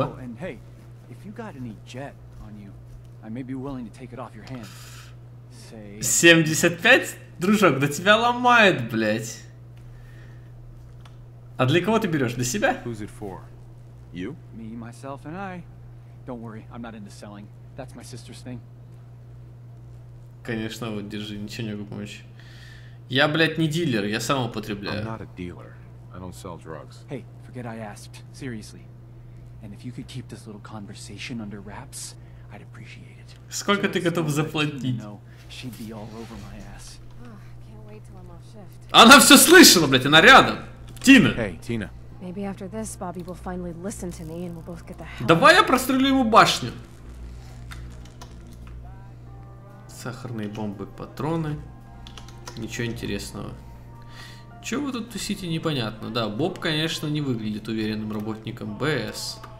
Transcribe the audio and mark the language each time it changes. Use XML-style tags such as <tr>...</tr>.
<en>Oh, and hey, if you got any jet on you, I may be willing to take it off your hands. Say... 75?</en> <ru>Дружок, да тебя ломает, блядь. А для кого ты берешь? Для себя?</ru> <en>Who's it for? You? Me, myself, and I. Don't worry, I'm not into selling. That's my sister's thing.</en> <ru>Конечно, вот, держи, ничего не могу помочь. Я, блядь, не дилер, я сам употребляю.</ru> <en>I'm not a dealer. I don't sell drugs. Hey. Forget I asked, seriously. And if you could keep this little conversation under wraps, I'd appreciate it.</en> <ru>Сколько ты готов заплатить?</ru> <en>She'd be all over my ass. Can't wait till I'm off shift.</en> <ru>Она все слышала, блядь, она рядом.</ru> <en>Тина. Hey, Tina. Maybe after this, Bobby will finally listen to me, and we'll both get the hell.</en> <ru>Давай я прострелю ему башню. Сахарные бомбы, патроны. Ничего интересного. Чего вы тут тусите, непонятно. Да, Боб, конечно, не выглядит уверенным работником БС.</ru>